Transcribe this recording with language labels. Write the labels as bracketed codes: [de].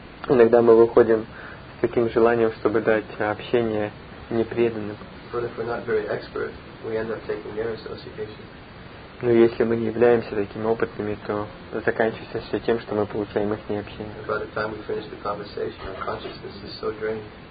[ru] Иногда мы выходим с таким желанием, чтобы дать общение непреданным. [en] But if we're not very expert, we end up taking their association. [ru] Но если мы не являемся такими опытными, то заканчивается все тем, что мы получаем их не общение. [en] By the time we finish the conversation, our consciousness is so drained.